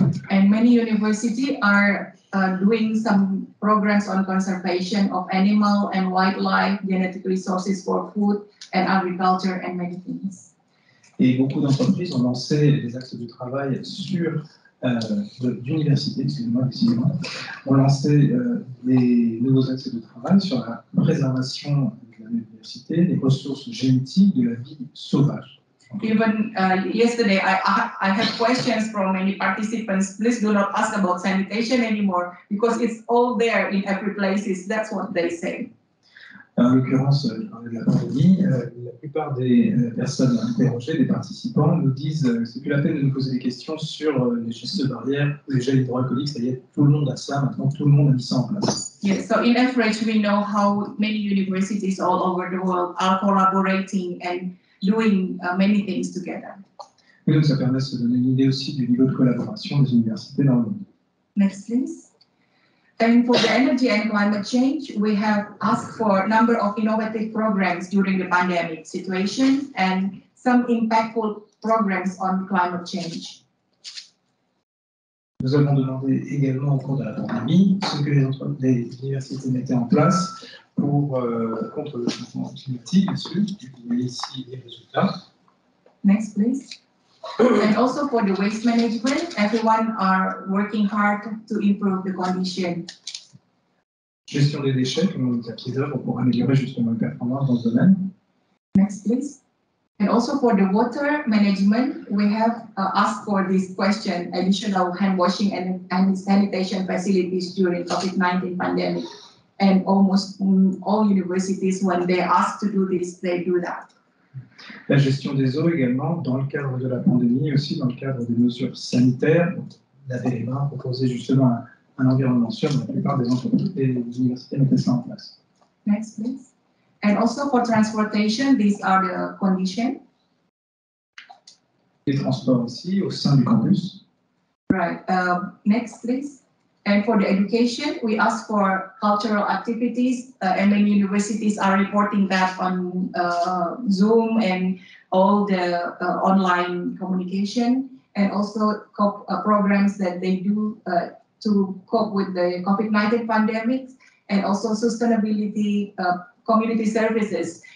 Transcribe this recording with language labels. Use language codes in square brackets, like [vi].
[en] And many universities are doing some programs on conservation of animal and wildlife, genetic resources for food and agriculture and many things. [fr] Et beaucoup d'entreprises ont lancé des axes de travail sur d'université, excusez-moi, ont lancé des nouveaux axes de travail sur la préservation de la biodiversité, des ressources génétiques, de la vie sauvage. [en] Even yesterday, I had questions from many participants. Please do not ask about sanitation anymore, because it's all there in every places. That's what they say. [fr] En l'occurrence, la pandémie, la plupart des personnes interrogées, des participants, nous disent que ce n'est plus la peine de nous poser des questions sur les gestes barrières, les gels hydroalcooliques, ça y est, tout le monde a ça, maintenant tout le monde a mis ça en place. [en] Yes, so in average, we know how many universities all over the world are collaborating and doing many things together. [fr] Et donc ça permet de se donner une idée aussi du niveau de collaboration des universités dans le monde. [en] Next, please. And for the energy and climate change, we have asked for a number of innovative programs during the pandemic situation and some impactful programs on climate change. [fr] Nous avons demandé également au cours de la pandémie ce que les universités mettaient en place pour contre le changement climatique. Vous voyez ici les résultats. [en] Next, please. And also for the waste management, everyone are working hard to improve the condition. [fr] Gestion des déchets, comme on dit à pied d'œuvre, pour améliorer justement la performance dans ce domaine. [en] Next, please. And also for the water management, we have asked for this question, additional hand washing and sanitation facilities during COVID-19 pandemic. And almost all universities, when they ask to do this, they do that. [fr] La gestion des eaux également, dans le cadre de la pandémie, aussi dans le cadre des mesures sanitaires, laver les mains, proposer justement un environnement sûr, la plupart des entreprises et des universités mettaient ça en place. [en] Next, please. And also for transportation, these are the conditions. [fr] Les transports aussi, au sein du campus. [en] Right. Next, please. And for the education, we ask for cultural activities, and many universities are reporting that on Zoom and all the online communication, and also programs that they do to cope with the COVID-19 pandemic, and also sustainability community services.